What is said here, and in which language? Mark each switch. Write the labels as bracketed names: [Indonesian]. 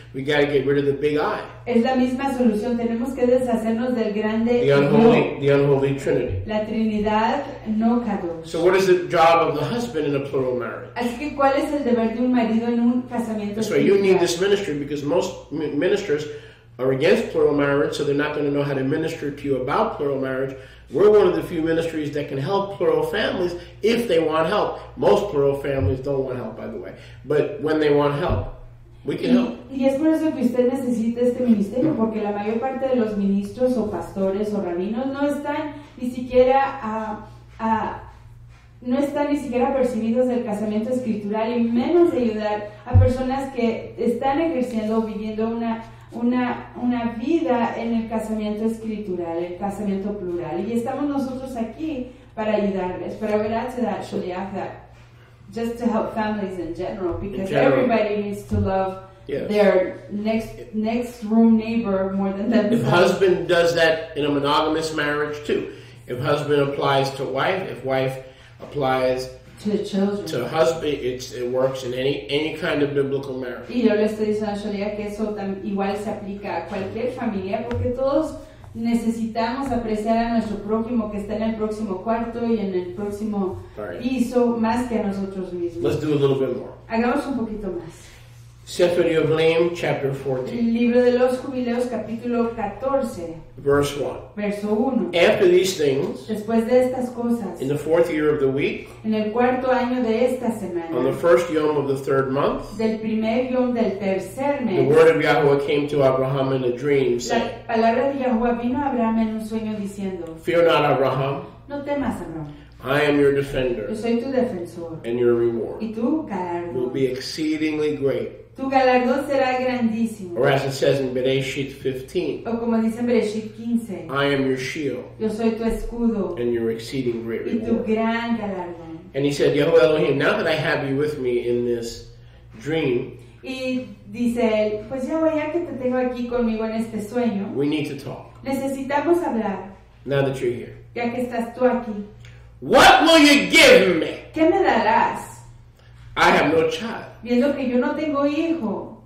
[English] We got to get rid of the big I. [Spanish] Es la misma solución. Tenemos que deshacernos del grande. [English] The unholy Trinity. [Spanish] La Trinidad no caduca. [English] So what is the job of the husband in a plural marriage? [Spanish] Así que ¿cuál es el deber de un marido en un casamiento plural? [English] So you need this ministry because most ministers are against plural marriage, so they're not going to know how to minister to you about plural marriage. We're one of the few ministries that can help plural families if they want help. Most plural families don't want help, by the way. But when they want help, we can help. [Spanish] Y es por eso que usted necesita este ministerio, porque la mayor parte de los ministros o pastores o rabinos no están ni siquiera no están ni siquiera percibidos del casamiento escritural y menos de ayudar a personas que están ejerciendo o viviendo una vida en el casamiento escritural, el casamiento plural. Y estamos nosotros aquí para ayudarles. [English] But I would add to that, actually, just to help families in general, because in general, everybody needs to love their next room neighbor more than themselves. If husband does that in a monogamous marriage, too. If husband applies to wife, if wife applies to the children. To husband, it works in any kind of biblical marriage. [Spanish] Y yo le estoy diciendo a Sharia que eso igual se aplica a cualquier familia, porque todos necesitamos apreciar a nuestro prójimo que está en el próximo cuarto y en el próximo piso más que a nosotros mismos. [English] Let's do a little bit more. [Spanish] Hagamos un poquito más. [English] Sefer Yovelim, chapter 14. [Spanish] El libro de los jubileos, capítulo 14. [English] Verse 1. [Spanish] Verso 1. [English] After these things. [Spanish] Después de estas cosas. [English] In the fourth year of the week. [Spanish] En el cuarto año de esta semana. [English] On the first yom of the third month. [Spanish] Del primer yom del tercer mes. [English] The word of Yahuwah came to Abraham in a dream. [Spanish] La palabra de Yahuwah vino a Abraham en un sueño diciendo. [English] Fear not, Abraham. [Spanish] No temas, Abraham. [English] I am your defender. [Spanish] Yo soy tu defensor. [English] And your reward. [Spanish] Y tu galardón. [English] Will be exceedingly great. [Spanish] Tu galardón será grandísimo. [English] Or as it says in Bereshit 15. [Spanish] O como dice en Bereshit 15. [English] I am your shield. [Spanish] Yo soy tu escudo. [English] And your exceeding great reward. [Spanish] Y tu gran galardón. [English] And he said, Yahweh Elohim, now that I have you with me in this dream. [Spanish] Y dice él, pues Yahweh, ya que te tengo aquí conmigo en este sueño. [English] We need to talk. [Spanish] Necesitamos hablar. [English] Now that you're here. [Spanish] Ya que estás tú aquí. [English] What will you give me? [Spanish] ¿Qué me darás? [English] I have no child. [Spanish] Viendo que yo no tengo hijo.